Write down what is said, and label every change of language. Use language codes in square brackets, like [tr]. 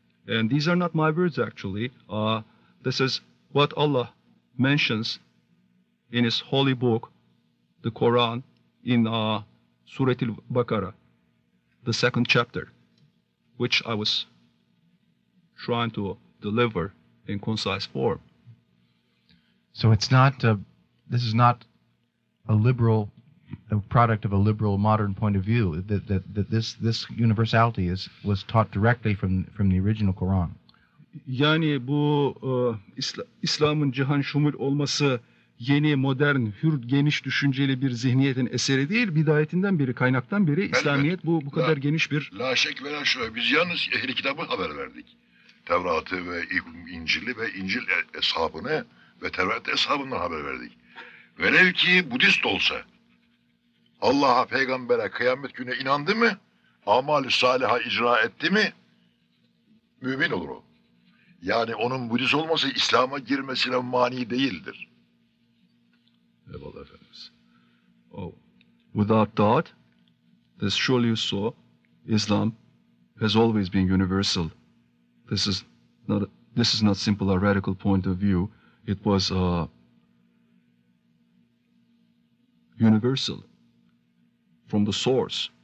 [en] And these are not my words, actually. This is what Allah mentions in His holy book, the Quran, in Surah Al-Baqarah, the second chapter, which I was trying to deliver in concise form. So it's not, this is not a liberal, a product of a liberal modern point of view, that this universality was taught directly from the original Quran. [tr] Yani bu İslam'ın cihan şumul olması yeni, modern, hür, geniş düşünceli bir zihniyetin eseri değil, bidayetinden beri, kaynaktan beri İslamiyet bu kadar geniş bir... La şek ve la şüphe. Biz yalnız ehli kitabı haber verdik. Tevrat'ı ve İncil'i ve İncil eshabını ve Tevrat eshabını haber verdik. Velev ki Budist olsa, Allah'a, peygambere, kıyamet gününe inandı mı, amal-i saliha icra etti mi, mümin olur o. Yani onun Budist olması İslam'a girmesine mani değildir. Eyvallah Efendimiz. [en] Oh, without doubt, this surely you saw, Islam has always been universal. This is not simple a radical point of view. It was universal from the source.